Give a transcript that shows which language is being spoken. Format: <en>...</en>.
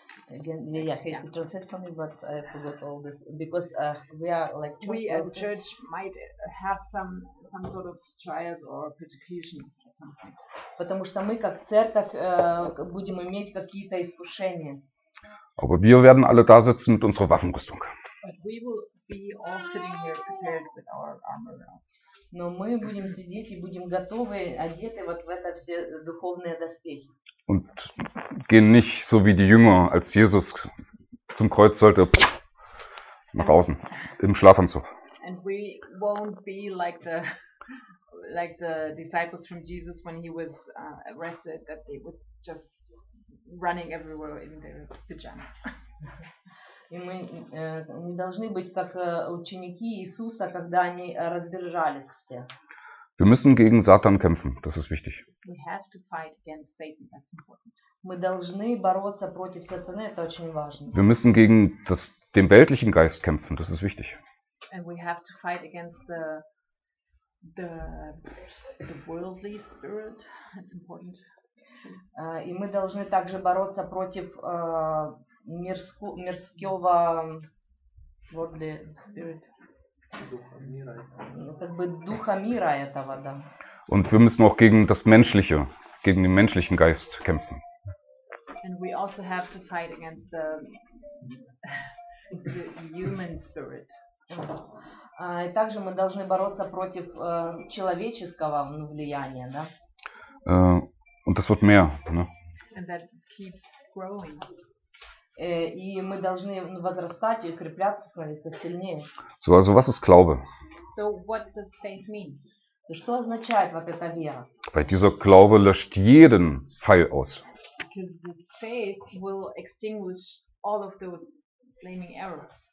<en>Again, yeah, I hate to translate for me, but I forgot all this. Because we are like... We as a church might have some sort of trials or persecution.</en> <ru>Потому что мы как церковь будем иметь какие-то искушения.</ru> <de>Aber wir werden alle da sitzen mit unserer Waffenrüstung.</de> <en>But we will be all sitting here prepared with our armor now.</en> <ru>Но мы будем сидеть и будем готовы, одеты вот в это все духовные доспехи.</ru> <de>Und gehen nicht so wie die Jünger, als Jesus zum Kreuz sollte, nach außen, im Schlafanzug.</de> <en>And we won't be like the disciples from Jesus when he was arrested, that they were just running everywhere in their pajamas.</en> <ru>И мы не должны быть как ученики Иисуса, когда они разбежались все.</ru> <de>Wir müssen gegen Satan kämpfen, das ist wichtig.</de> <en>We have to fight against Satan, that's important.</en> <ru>Мы должны бороться против Сатаны, это очень важно.</ru> <de>Wir müssen gegen den weltlichen Geist kämpfen, das ist wichtig.</de> <en>And we have to fight against the worldly spirit, that's important.</en> <ru>И мы должны также бороться против мирского</ru> <en>worldly spirit.</en> <ru>Духа мира этого, да.</ru> <de>Und wir müssen auch gegen das Menschliche, gegen den menschlichen Geist kämpfen.</de> <en>And we also have to fight against the human spirit.</en> <ru>И также мы должны бороться против человеческого влияния, да.</ru> <de>Und das wird mehr, ne?</de> <en>And that keeps growing.</en> <ru>И мы должны возрастать и укрепляться, становиться сильнее.</ru> <de>So, also, was ist Glaube?</de> <en>So, what does faith mean?</en> <ru>So, что означает вот эта вера?</ru> <de>Weil dieser Glaube löscht jeden Pfeil aus.</de> <en>Because the faith will extinguish all of those flaming arrows.</en>